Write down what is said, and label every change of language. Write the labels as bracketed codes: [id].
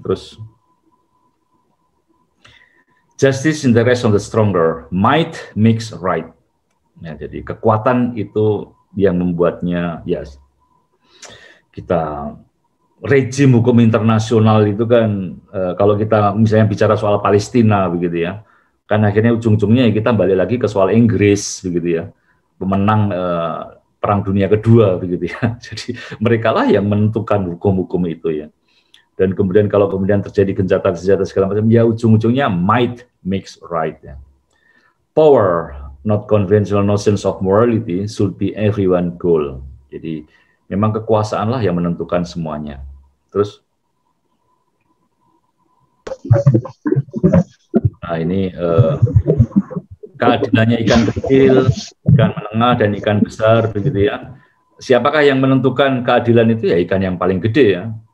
[id] Terus, [en] justice in the rest of the stronger, might makes right. [id] Ya, jadi kekuatan itu yang membuatnya, ya, kita, rejim hukum internasional itu kan, kalau kita misalnya bicara soal Palestina begitu ya, kan akhirnya ujung-ujungnya kita balik lagi ke soal Inggris begitu ya, pemenang Perang Dunia Kedua begitu ya, jadi mereka lah yang menentukan hukum-hukum itu ya, dan kemudian kalau kemudian terjadi gencatan senjata segala macam, ya ujung-ujungnya [en] might makes right [id] ya. [en] Power, not conventional notions of morality, should be everyone's goal. [id] Jadi memang kekuasaanlah yang menentukan semuanya. Terus, nah ini keadilannya ikan kecil, ikan menengah, dan ikan besar begitu ya. Siapakah yang menentukan keadilan itu? Ya ikan yang paling gede ya.